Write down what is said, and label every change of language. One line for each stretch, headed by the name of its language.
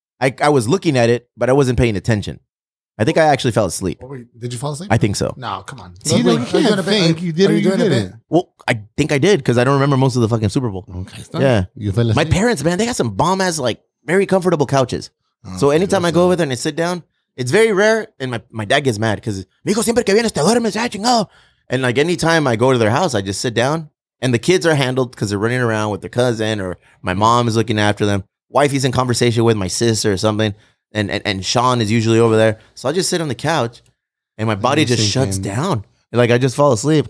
English: I was looking at it, but I wasn't paying attention. I think I actually fell asleep. Did you fall asleep? I think so. No, come on. See, like, you can't think. You did or you didn't. Well, I think I did because I don't remember most of the fucking Super Bowl. Okay. Stop. Yeah. You fell asleep? My parents, man, they got some bomb ass, like, very comfortable couches. Oh, so anytime I go over there and I sit down, it's very rare. And my dad gets mad because,
Spanish: mijo, siempre que vienes te duermes, ya chingado.
English: And like anytime I go to their house, I just sit down and the kids are handled because they're running around with their cousin or my mom is looking after them. Wifey's in conversation with my sister or something. And Sean is usually over there. So I just sit on the couch and my body just shuts down. Like I just fall asleep.